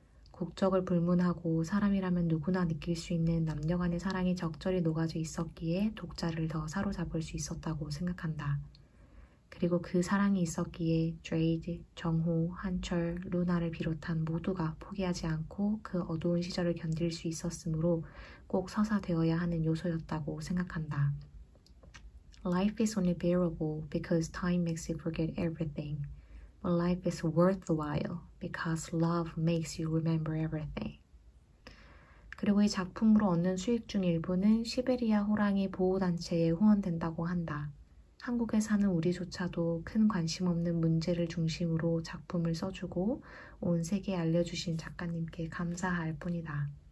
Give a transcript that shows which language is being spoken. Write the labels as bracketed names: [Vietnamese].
[Korean] 국적을 불문하고 사람이라면 누구나 느낄 수 있는 남녀간의 사랑이 적절히 녹아져 있었기에 독자를 더 사로잡을 수 있었다고 생각한다. 그리고 그 사랑이 있었기에 드레이드, 정호, 한철, 루나를 비롯한 모두가 포기하지 않고 그 어두운 시절을 견딜 수 있었으므로 꼭 서사되어야 하는 요소였다고 생각한다. [English] Life is only bearable because time makes you forget everything. But life is worthwhile because love makes you remember everything. [Korean] 그리고 이 작품으로 얻는 수익 중 일부는 시베리아 호랑이 보호단체에 후원된다고 한다. 한국에 사는 우리조차도 큰 관심 없는 문제를 중심으로 작품을 써주고 온 세계에 알려주신 작가님께 감사할 뿐이다.